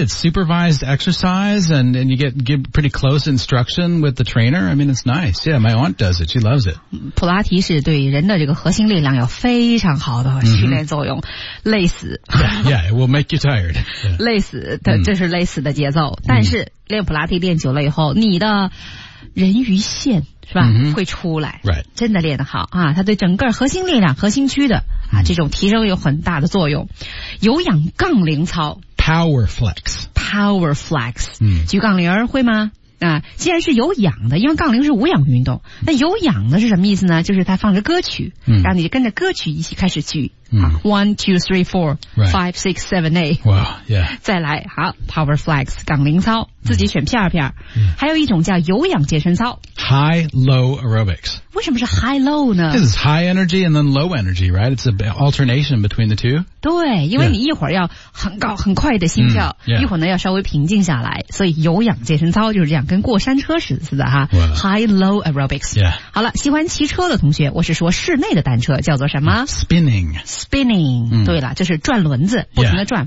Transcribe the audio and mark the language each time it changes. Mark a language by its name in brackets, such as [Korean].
[English] It's supervised exercise and you get pretty close instruction with the trainer. I mean, it's nice. Yeah, my aunt does it. She loves it. [Chinese] 普拉提是对人的这个核心力量有非常好的训练作用。 Mm-hmm. 累死。 [English] Yeah, it will make you tired. Yeah. [Chinese] 累死的、这是累死的节奏。但是练普拉提练久了以后你的人鱼线是吧、 mm-hmm. 会出来。 [English] Right. [Chinese] 真的练得好啊它对整个核心力量核心区的啊、mm-hmm. 这种提升有很大的作用。有氧杠铃操。 [English] Power flex. Power flex.、嗯、 [Chinese] 举杠铃会吗、啊、既然是有氧的因为杠铃是无氧运动那有氧的是什么意思呢就是它放着歌曲、嗯、让你跟着歌曲一起开始举、嗯 [English] 啊、1, 2, 3, 4, right. 5, 6, 7, 8 wow,、yeah. [Chinese] 再来好 Power flex 杠铃操自己选片片、嗯、还有一种叫有氧健身操 [English] High low aerobics [Chinese] 为什么是 high low 呢 [English] This is high energy and then low energy right It's an alternation between the two [Chinese] 对因为你一会儿要很高很快的心跳、 [English] yeah. [Chinese] 一会儿呢要稍微平静下来所以有氧健身操就是这样跟过山车似的哈、 [English] wow. High low aerobics、 yeah. [Chinese] 好了喜欢骑车的同学我是说室内的单车叫做什么 [English] Spinning、 mm. [Chinese] 对了就是转轮子不停的转、